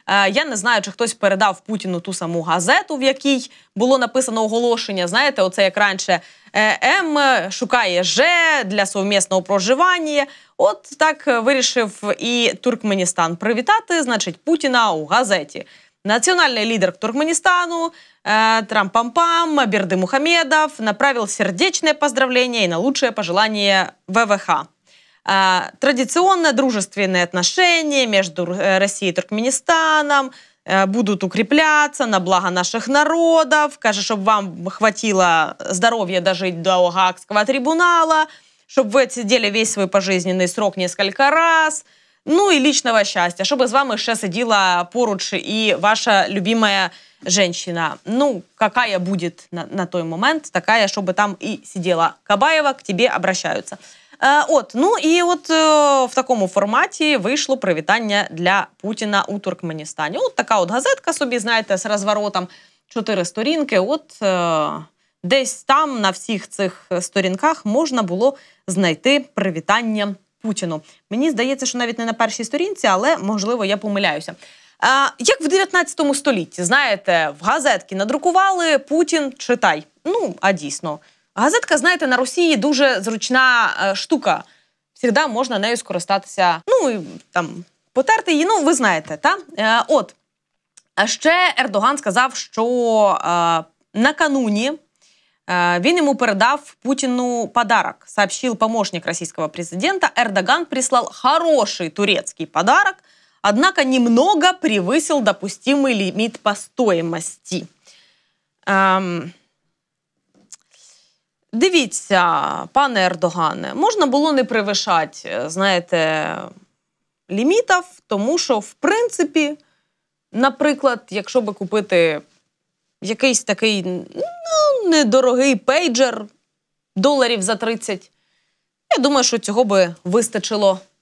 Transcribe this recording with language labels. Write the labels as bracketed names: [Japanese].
[Ukrainian] Я не знаю, чи хтось передав Путіну ту саму газету, в якій було написано оголошення, знаєте, оце як раніше, М шукає Ж для совмісного проживання. От так вирішив і Туркменістан привітати, значить, Путіна у газеті. Національний лідер Туркменістану, [Russian] Трампам-пам, Берди Мухамедов направил сердечное поздравление и на лучшее пожелание ВВХ. Традиционно дружественные отношения между Россией и Туркменистаном будут укрепляться на благо наших народов. Каже, чтобы вам хватило здоровья дожить до Гаагского трибунала, чтобы вы сидели весь свой пожизненный срок несколько раз. Ну и личного счастья, чтобы с вами еще сидела поруч и ваша любимая женщина, ну, какая будет на той момент, такая, чтобы там и сидела. Кабаева, к тебе обращаются. В таком формате вышло привитание для Путина у Туркменистана. Вот такая вот газетка собі, знаете, с разворотом 4 сторінки. [Ukrainian] Десь там на всіх цих сторінках можна було знайти привітання Путіну. Мені здається, що навіть не на першій сторінці, але, можливо, я помиляюся. Як в 19 столітті, знаєте, в газетки надрукували «Путін, читай». Ну, а дійсно. Газетка, знаєте, на Росії дуже зручна штука. Всегда можна нею скористатися. Ну, і там, потерти її, ну, ви знаєте, та? Ще Ердоган сказав, що накануні він йому передав Путіну подарок. [Russian] Сообщив помощник [Ukrainian] російського президента, [Russian] Ердоган прислав хороший турецький подарок, однако немного превысил допустимый лимит по стоимости. [Ukrainian] Дивіться, пане Ердогане, можна було не превышати, знаєте, лімітів, тому що, в принципі, наприклад, якщо би купити якийсь такий, ну, недорогий пейджер доларів за 30, я думаю, що цього би вистачило.